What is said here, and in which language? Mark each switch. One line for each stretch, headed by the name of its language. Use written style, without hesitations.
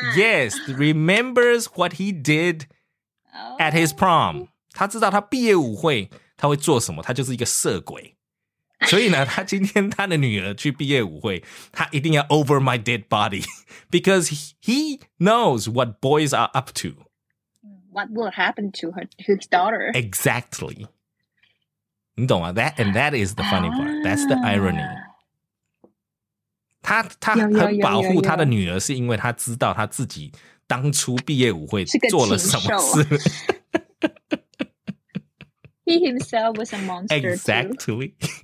English: Yes, remembers what he did at his prom.
Chinese: 他知道他毕业舞会他会做什么，他就是一个色鬼。所以呢，他今天他的女儿去毕业舞会，他一定要
English: over my dead body because he knows what boys are up to. What will happen to his daughter? Exactly. You don't want that, and that is the funny part. That's the irony.
Chinese: 他很保护他的女儿，是因为他知道他自己当初毕业舞会做了什么事。
English: He himself was a monster. Exactly.